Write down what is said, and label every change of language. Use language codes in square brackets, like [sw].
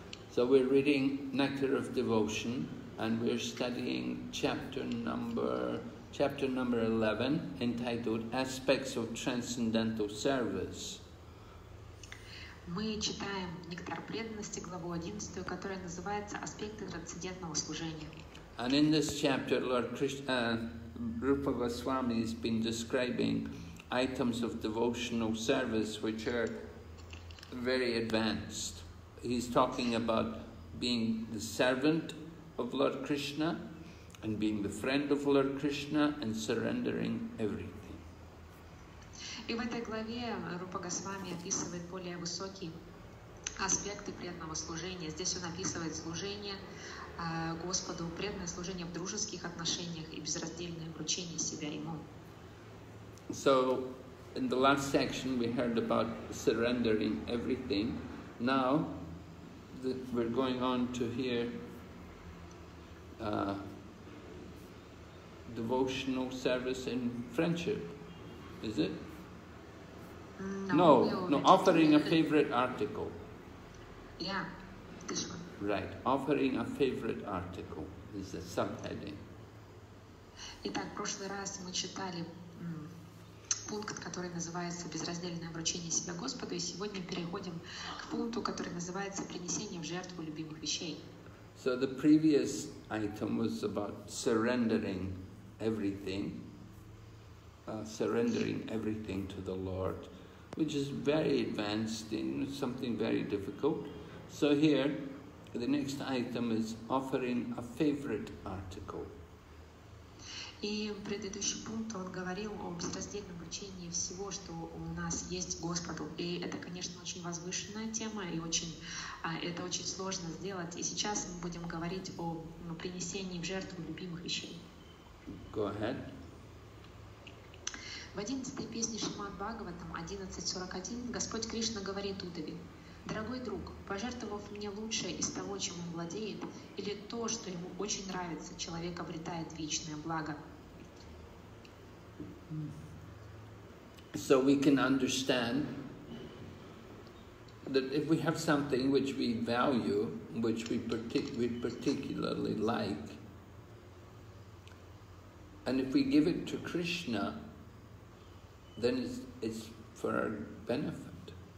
[en] So we're reading Nectar of Devotion, and we're studying chapter number 11, entitled Aspects of Transcendental Service. [ru] Мы читаем «Нектар преданности», главу 11, которая называется «Аспекты трансцендентного служения». [en] And in this chapter, Lord Krishna, Rupa Goswami has been describing items of devotional service which are very advanced. He's talking about being the servant of Lord Krishna and being the friend of Lord Krishna and surrendering everything. [ru] И в этой главе Рупа Госвами описывает более высокие аспекты преданного служения. Здесь он описывает служение Господу, преданное служение в дружеских отношениях и безраздельное вручение себя Ему. [en] So, in the last section we heard about surrendering everything. Now, we're going on to hear devotional service in friendship, is it? No, offering a favorite article. Yeah, this one. Right, offering a favorite article is the subheading. [ru] Итак, в прошлый раз мы читали пункт, который называется «Безраздельное вручение себя Господу», и сегодня переходим к пункту, который называется «Принесение в жертву любимых вещей». [en] So the previous item was about surrendering everything, surrendering everything to the Lord, which is very advanced in something very difficult. So here, the next item is offering a favorite article. [ru] И предыдущий пункт, он говорил о безраздельном вручении всего, что у нас есть Господу. И это, конечно, очень возвышенная тема, и это очень сложно сделать. И сейчас мы будем говорить о принесении в жертву любимых вещей. [en] Go ahead. [ru] В 11-й песне Шримад Бхагаватам, 11.41, Господь Кришна говорит Удаве: «Дорогой друг, пожертвовав мне лучшее из того, чем он владеет, или то, что ему очень нравится, человек обретает вечное благо». [en] So we can understand that if we have something which we value, which we particularly like, and if we give it to Krishna, then it's for our benefit.